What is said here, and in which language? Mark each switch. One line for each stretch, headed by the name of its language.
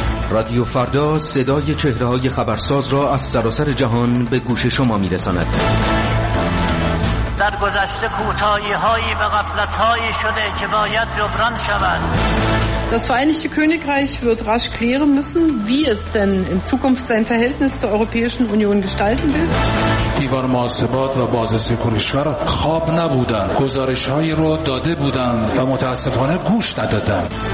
Persian: رادیو فردا صدای چهره های خبرساز را از سراسر جهان به گوش شما میرساند. در گذشته کوتاهی هایی و غفلت هایی شده که باید جبران شود.
German: Das Vereinigte Königreich wird rasch klären müssen, wie es denn in Zukunft sein Verhältnis zur Europäischen Union gestalten wird.
Persian: دیوار محاسبات و بازرسی کنشور خواب نبودند. گزارش هایی رو داده بودند و متاسفانه گوش ندادند.